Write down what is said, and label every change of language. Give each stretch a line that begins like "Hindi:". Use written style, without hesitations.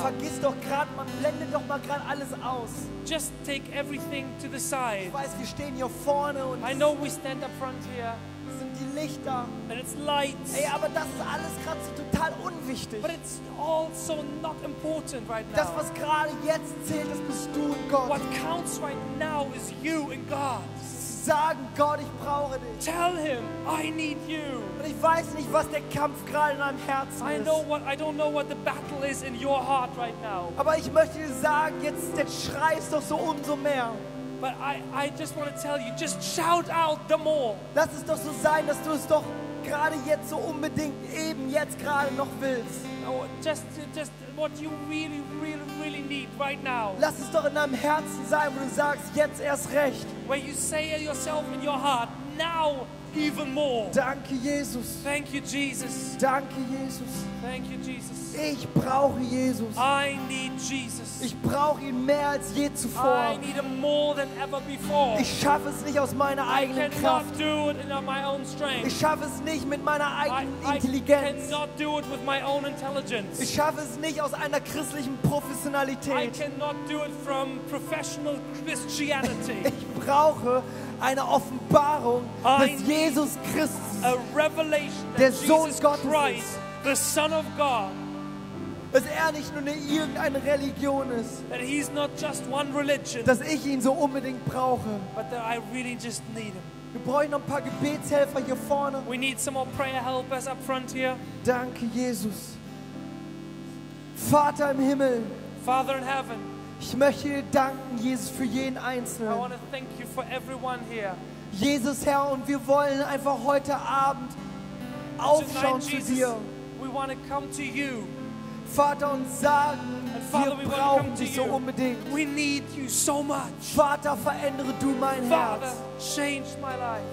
German: Vergiss doch gerade, man blendet doch mal gerade alles aus.
English: Just take everything to the side.
German: Ich weiß, wir stehen hier vorne und
English: I know we stand up front here.
German: Es sind die Lichter.
English: And it's lights.
German: Ey, aber das ist alles gerade so total unwichtig.
English: But it's all so not important right now.
German: Das, was gerade jetzt zählt, das bist du und Gott.
English: What counts right now is you and God.
German: Sagen, Gott, ich brauche dich.
English: Tell him, I need you.
German: Und ich weiß nicht, was der Kampf gerade in deinem Herzen ist.
English: I know what, I don't know what the battle is in your heart right now.
German: Aber ich möchte dir sagen, jetzt schreist doch so umso mehr.
English: But I just want to tell you, just shout out the more.
German: Lass es doch so sein, dass du es doch gerade jetzt so unbedingt eben jetzt gerade noch willst.
English: Oh, just what you really, really, really need right now.
German: Lass es doch in deinem Herzen sein, wo du sagst, jetzt erst recht.
English: Where you say it yourself in your heart, now even more.
German: Danke, Jesus.
English: Thank you, Jesus.
German: Danke, Jesus.
English: Thank you, Jesus.
German: Ich brauche Jesus.
English: I need Jesus.
German: Ich brauche ihn mehr als je zuvor.
English: I need him more than ever before.
German: Ich schaffe es nicht aus meiner eigenen Kraft.
English: I cannot do it in my own strength.
German: Ich schaffe es nicht mit meiner eigenen Intelligenz.
English: I cannot do it with my own intelligence.
German: Ich schaffe es nicht aus einer christlichen Professionalität.
English: I cannot do it from professional Christianity.
German: Ich brauche eine Offenbarung, dass Jesus Christus, der Sohn Gottes,
English: the Son of God,
German: dass er nicht nur eine irgendeine Religion ist,
English: that he's not just one religion,
German: dass ich ihn so unbedingt brauche,
English: but that I really just need him.
German: Wir brauchen noch ein paar Gebetshelfer hier vorne.
English: We need some more prayer helpers up front here.
German: Danke, Jesus. Vater im Himmel,
English: Father in heaven,
German: ich möchte dir danken, Jesus, für jeden Einzelnen.
English: I want to thank you for everyone here.
German: Jesus, Herr, und wir wollen einfach heute Abend aufschauen
English: tonight, Jesus,
German: zu dir.
English: We want to come to you.
German: Vater, und sagen,
English: and Father,
German: wir brauchen dich so unbedingt.
English: We need you so much.
German: Vater, verändere du mein
English: Father,
German: Herz.
English: Change my life.